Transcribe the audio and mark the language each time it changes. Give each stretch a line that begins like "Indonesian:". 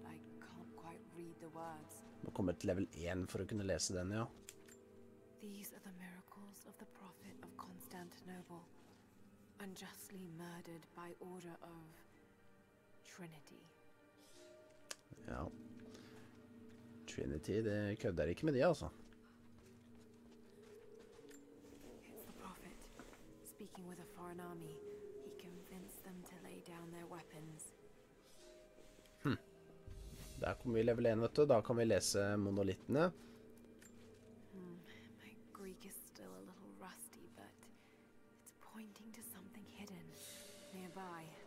Norwegian: Nå kommer til level 1 for å kunne lese den, ja.
English: These are the miracles of the prophet of Constantinople, unjustly murdered by order of Trinity.
Norwegian: Ja. Trinity, det kødder ikke med de, altså.
English: It's the prophet, speaking with a foreign army. He convinced them to lay down their weapons.
Norwegian: Der kommer vi i level 1, vet du. Da kan vi lese monolittene.
English: My Greek is still a little rusty, but it's pointing to something hidden nearby.